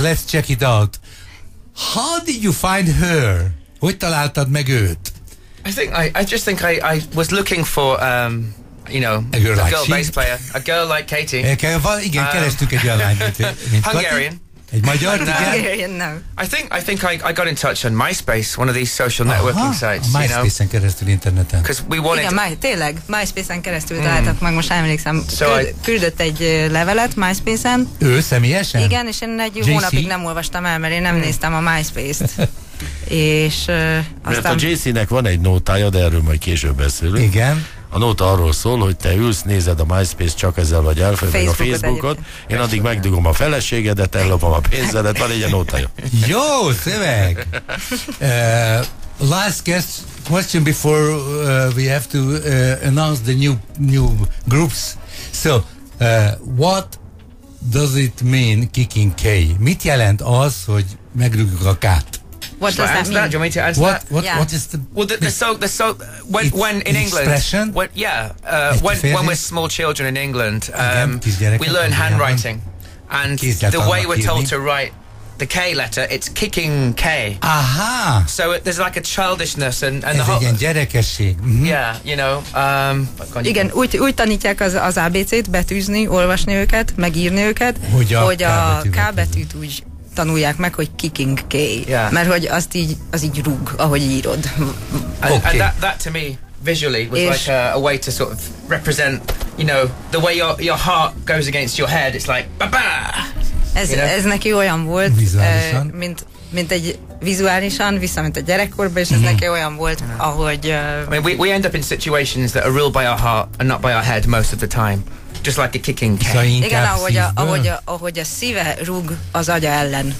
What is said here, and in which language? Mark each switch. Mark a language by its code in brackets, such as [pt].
[en] Let's check it out. How did you find her? [hu] Hogy találtad meg őt? [en] I was looking for a girl like bass player, a girl like Katie. [hu] Igen, kerestük egy olyan lányt, mint [en] Hungarian. [hu] Egy magyar, [en] no, [hu] igen. [en] I think I got in touch on MySpace, one of these social networking sites. [hu] MySpace-en keresztül interneten. [en] Because we wanted. [hu] Igen, tényleg, MySpace-en keresztül találtak meg, most emlékszem. So küldött egy levelet MySpace-en. Ő személyesen? Igen, és én egy hónapig nem olvastam el, mert én nem néztem a MySpace-t. És aztán... Mert a JC-nek van egy nótája, de erről majd később beszélünk. Igen. A nóta arról szól, hogy te ülsz, nézed a MySpace, csak ezzel vagy elfelejtve, vagy a Facebookot, én addig megdugom a feleségedet, ellopom a pénzedet, van egy a nótája. Jó, szöveg! [en] Last question before we have to announce the new groups. So, what does it mean, kicking K? [hu] Mit jelent az, hogy megrugjuk a K-t? [en] What does that mean? Do you want me to answer when we're small children in England, we learn handwriting, and the way we're told to write the K letter, it's kicking K. Aha. So there's like a childishness and the whole. [hu] Gyerekesség. [en] Mm-hmm. Yeah, you know. [hu] Igen, úgy tanítják az ABC-t betűzni, olvasni őket, megírni őket, hogy a K betűt úgy tanulják meg, hogy kicking K. [en] Yeah. [hu] Mert hogy azt így, az így rúg, ahogy írod. [en] Okay. And that to me, visually, was like a way to sort of represent, you know, the way your heart goes against your head. It's like, ba-ba! [hu] Ez neki olyan volt, mint egy vizuálisan, visszament a gyerekkorba, és ez neki olyan volt, ahogy... [en] I mean, we end up in situations that are ruled by our heart and not by our head most of the time. Just like a kicking K. [hu] Szóval igen, ahogy a szíve rúg az agya ellen.